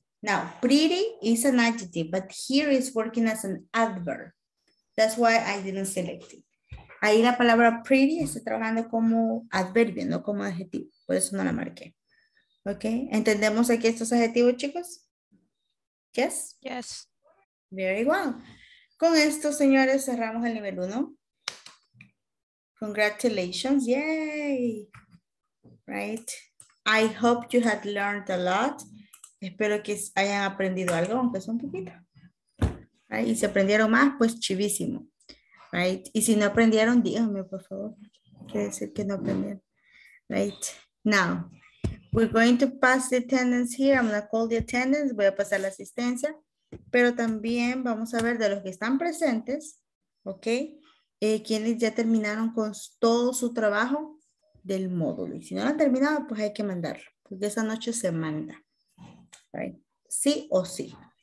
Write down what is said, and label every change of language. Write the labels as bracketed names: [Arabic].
[English] Now, pretty is an adjective, but here it's working as an adverb. That's why I didn't select it. [Spanish] Ahí la palabra pretty está trabajando como adverbio, no como adjetivo. Por eso no la marqué. ¿Ok? ¿Entendemos aquí estos adjetivos, chicos? Yes. [English] Yes. Very well. [Spanish] Con esto, señores, cerramos el nivel 1. [English] Congratulations. Yay. Right. I hope you had learned a lot. [Spanish] Espero que hayan aprendido algo, aunque sea un poquito. Right. Y si aprendieron más, pues chivísimo. Right. Y si no aprendieron, díganme, por favor. Quiere decir que no aprendieron. Right. [English] Now, we're going to pass the attendance here. I'm going to call the attendance. [Spanish] Voy a pasar la asistencia. Pero también vamos a ver de los que están presentes, ¿ok? Quienes ya terminaron con todo su trabajo del módulo. Y si no lo han terminado, pues hay que mandarlo. Porque esa noche se manda. Right. Sí o sí.